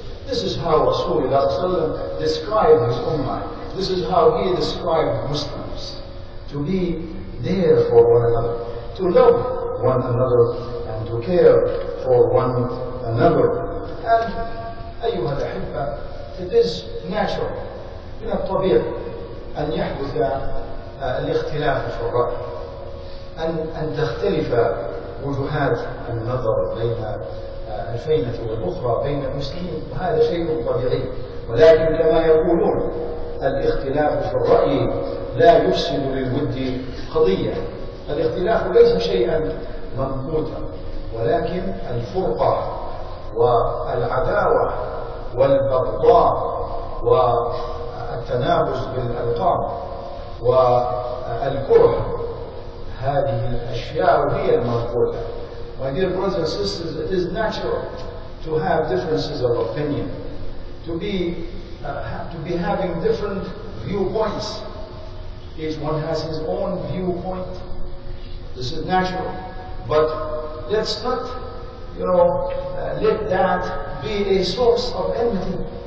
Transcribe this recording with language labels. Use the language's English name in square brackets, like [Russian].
[English] This is how Rasulullah described his ummah. This is how he described Muslims, to be there for one another, to love one another, and to care for one another. [Arabic] And أيها الأحبة, [English] it is natural, [Arabic] من الطبيعي أن يحدث الاختلاف في الرأي, أن تختلف وجهات النظر بين الفينة والأخرى بين المسلمين, وهذا شيء طبيعي. ولكن كما يقولون, الاختلاف في الرأي لا يفسد للود قضية. الاختلاف ليس شيئا منقوطا, ولكن الفرقة والعداوة والبغضاء والتنابز بالألقاب والكره, هذه الأشياء هي المنقولة. [English] My dear brothers and sisters, it is natural to have differences of opinion, to be having different viewpoints. Each one has his own viewpoint. This is natural. But let's not, let that be a source of enmity.